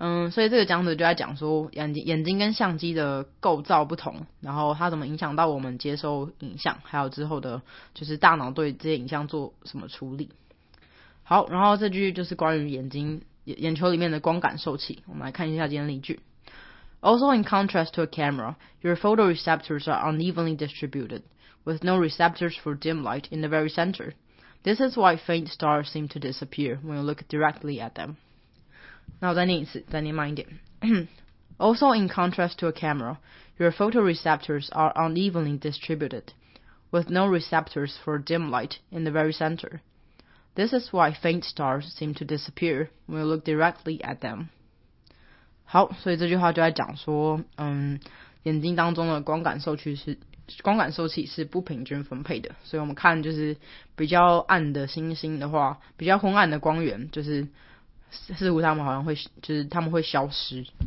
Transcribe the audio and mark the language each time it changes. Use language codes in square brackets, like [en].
[zh] 所以这个讲者就在讲说眼睛跟相机的构造不同，然后它怎么影响到我们接收影像，还有之后的就是大脑对这些影像做什么处理。好，然后这句就是关于眼球里面的光感受器，我们来看一下今天例句。 [en] Also, in contrast to a camera, your photoreceptors are unevenly distributed, with no receptors for dim light in the very center. This is why faint stars seem to disappear when you look directly at them. [zh] 那我再念一次，再念慢一点。 [en] Also, in contrast to a camera, your photoreceptors are unevenly distributed, with no receptors for dim light in the very center. This is why faint stars seem to disappear when you look directly at them. [zh] 好，所以这句话就在讲说，眼睛当中的光感受器是不平均分配的，所以我们看就是比较暗的星星的话，比较昏暗的光源，就是似乎他们好像会，就是他们会消失。